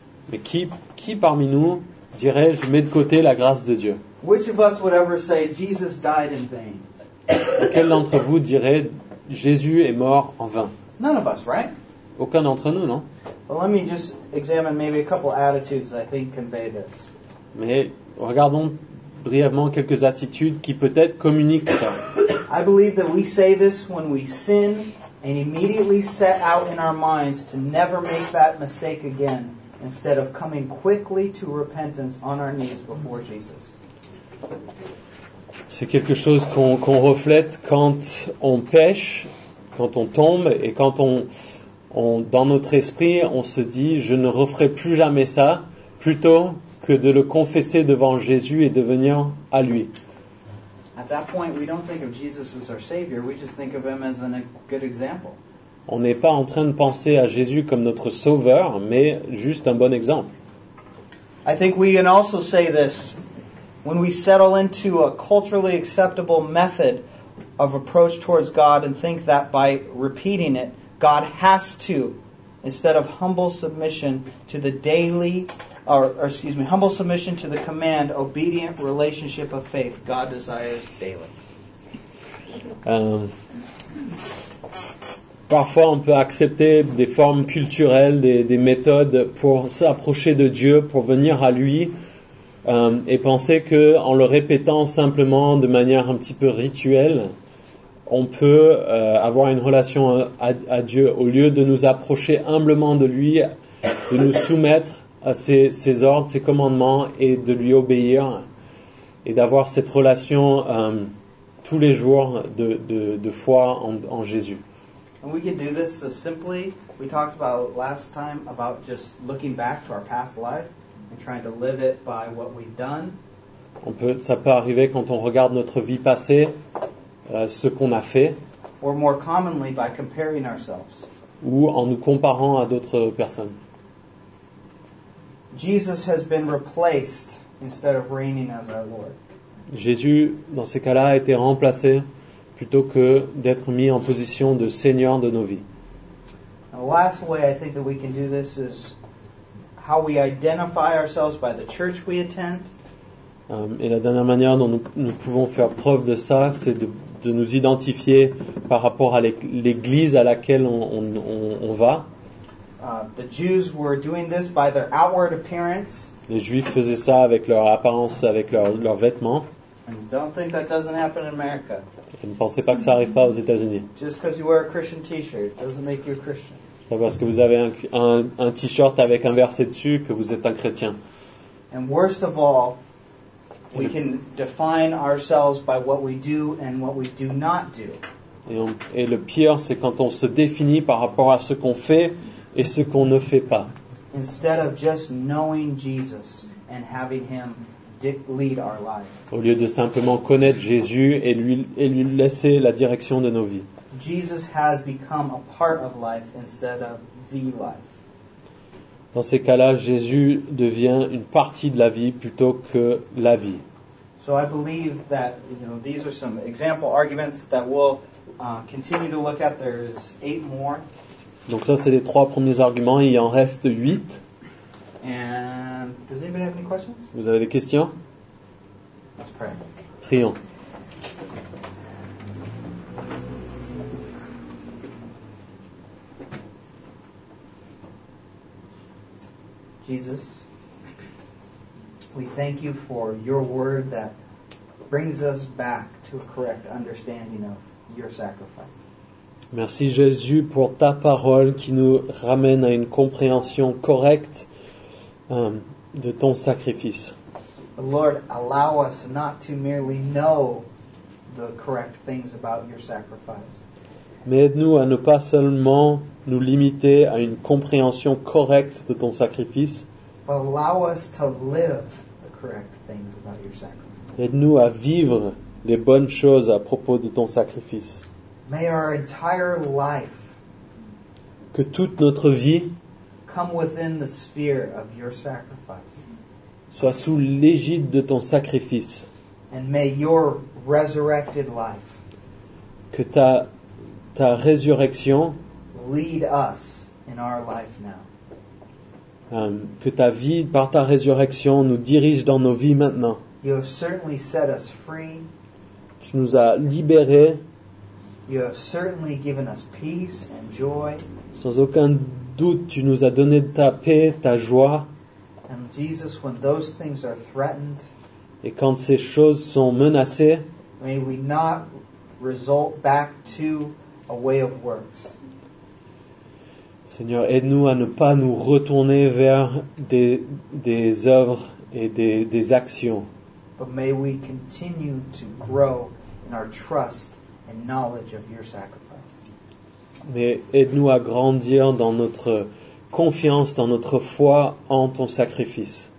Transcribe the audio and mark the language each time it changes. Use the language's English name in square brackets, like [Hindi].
[French] Mais qui parmi nous dirait je mets de côté la grâce de Dieu? Quel d'entre vous dirait Jésus est mort en vain? [English] None of us, right? [French] Aucun d'entre nous, non? [English] Well, let me just examine maybe a couple attitudes that I think convey this. [French] Mais regardons brièvement quelques attitudes qui peut-être communiquent ça. [English] I believe that we say this when we sin and immediately set out in our minds to never make that mistake again instead of coming quickly to repentance on our knees before Jesus. [French] C'est quelque chose qu'on reflète quand on pêche, quand on tombe et quand on, dans notre esprit, on se dit je ne referai plus jamais ça, plutôt que de le confesser devant Jésus et de venir à lui. [English] At that point, we don't think of Jesus as our savior, we just think of him as a good example. [French] On n'est pas en train de penser à Jésus comme notre sauveur, mais juste un bon exemple. [English] I think we can also say this when we settle into a culturally acceptable method of approach towards God and think that by repeating it God has to, instead of humble submission to the daily, humble submission to the command, obedient relationship of faith God desires daily. [French] Parfois, on peut accepter des formes culturelles, des méthodes pour s'approcher de Dieu, pour venir à lui, et penser que en le répétant simplement de manière un petit peu rituelle, on peut avoir une relation à Dieu au lieu de nous approcher humblement de lui, de nous soumettre à ses ordres, ses commandements et de lui obéir et d'avoir cette relation tous les jours de foi en Jésus. [English] And we can do this so simply. We talked about last time about just looking back to our past life and trying to live it by what we've done. [French] Ça peut arriver quand on regarde notre vie passée, ce qu'on a fait. [English] Or more commonly by comparing ourselves. [French] Ou en nous comparant à d'autres personnes. [English] Jesus has been replaced instead of reigning as our Lord. [French] Jésus, dans ces cas-là, a été remplacé plutôt que d'être mis en position de Seigneur de nos vies. [English] The last way I think that we can do this is how we identify ourselves by the church we attend. [French] Et la dernière manière dont nous pouvons faire preuve de ça, c'est de nous identifier par rapport à l'église à laquelle on va. [English] The Jews were doing this by their outward appearance. [French] Les Juifs faisaient ça avec leur apparence, avec leurs vêtements. [English] And don't think that doesn't happen in America. [French] Et ne pensez pas que ça arrive pas aux États-Unis. [English] Just because you wear a Christian t-shirt doesn't make you a Christian. [French] C'est parce que vous avez un t-shirt avec un verset dessus que vous êtes un chrétien. [English] And worst of all, we can define ourselves by what we do and what we do not do. [French] Et le pire, c'est quand on se définit par rapport à ce qu'on fait et ce qu'on ne fait pas. [English] Instead of just knowing Jesus and having him lead our lives. [French] Au lieu de simplement connaître Jésus et lui laisser la direction de nos vies. [English] Jesus has become a part of life instead of the life. [French] Dans ces cas-là, Jésus devient une partie de la vie plutôt que la vie. [English] So I believe that, you know, these are some example arguments that we'll continue to look at. There's 8 more. [French] Donc ça, c'est les 3 premiers arguments. Il en reste 8. [English] And does anybody have any questions? [French] Vous avez des questions? [English] Let's pray. [French] Prions. [English] Jesus, we thank you for your word that brings us back to a correct understanding of your sacrifice. [French] Merci Jésus pour ta parole qui nous ramène à une compréhension correcte de ton sacrifice. [English] Lord, allow us not to merely know the correct things about your sacrifice. [French] Mais aide-nous à ne pas seulement nous limiter à une compréhension correcte de ton sacrifice. [English] Allow us to live the correct things about your sacrifice. [French] Aide-nous à vivre les bonnes choses à propos de ton sacrifice. [English] May our entire life, [French] que toute notre vie, [English] come within the sphere of your sacrifice, [French] soit sous l'égide de ton sacrifice. [English] And may your resurrected life, [French] que ta résurrection, [English] lead us in our life now. [French] Que ta vie, par ta résurrection, nous dirige dans nos vies maintenant. [English] You have certainly set us free. [French] Tu nous as libérés. [English] You have certainly given us peace and joy. [French] Sans aucun doute, tu nous as donné ta paix, ta joie. [English] And Jesus, when those things are threatened, [French] et quand ces choses sont menacées, [English] may we not result back to a way of works. [French] Seigneur, aide-nous à ne pas nous retourner vers des œuvres et des actions. [English] But may we continue to grow in our trust and knowledge of your sacrifice. [French] Mais aide-nous à grandir dans notre confiance, dans notre foi en ton sacrifice.